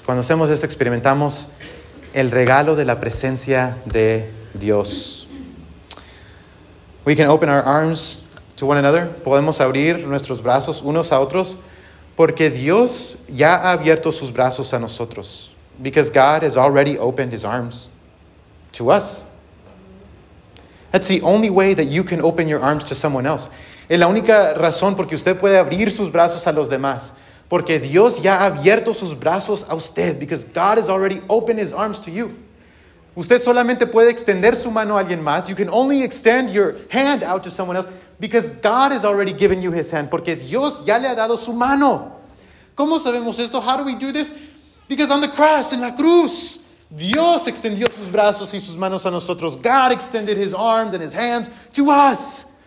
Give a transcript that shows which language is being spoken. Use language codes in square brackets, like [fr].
[es] Cuando hacemos esto, experimentamos el regalo de la presencia de Dios. [en] We can open our arms to one another. [es] Podemos abrir nuestros brazos unos a otros porque Dios ya ha abierto sus brazos a nosotros. [en] Because God has already opened his arms to us. That's the only way that you can open your arms to someone else. [es] Es la única razón porque usted puede abrir sus brazos a los demás. Porque Dios ya ha abierto sus brazos a usted. [en] Because God has already opened his arms to you. [es] Usted solamente puede extender su mano a alguien más. [en] You can only extend your hand out to someone else. Because God has already given you his hand. [es] Porque Dios ya le ha dado su mano. ¿Cómo sabemos esto? [en] How do we do this? Because on the cross, [es] en la cruz, Dios extendió sus brazos y sus manos a nosotros. [en] God extended his arms and his hands to us.